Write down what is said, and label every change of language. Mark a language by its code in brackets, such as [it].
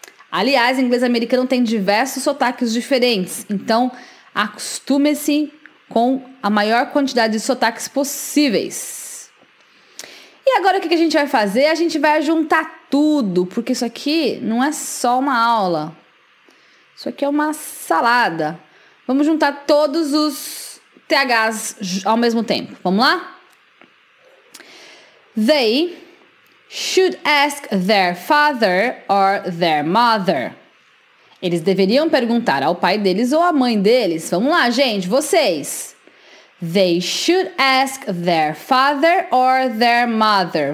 [pt] Aliás, inglês americano tem diversos sotaques diferentes, então acostume-se com a maior quantidade de sotaques possíveis. E agora o que a gente vai fazer? A gente vai juntar tudo, porque isso aqui não é só uma aula. Isso aqui é uma salada. Vamos juntar todos os THs ao mesmo tempo. Vamos lá? [en] They should ask their father or their mother. [pt] Eles deveriam perguntar ao pai deles ou à mãe deles. Vamos lá, gente, vocês. [en] They should ask their father or their mother.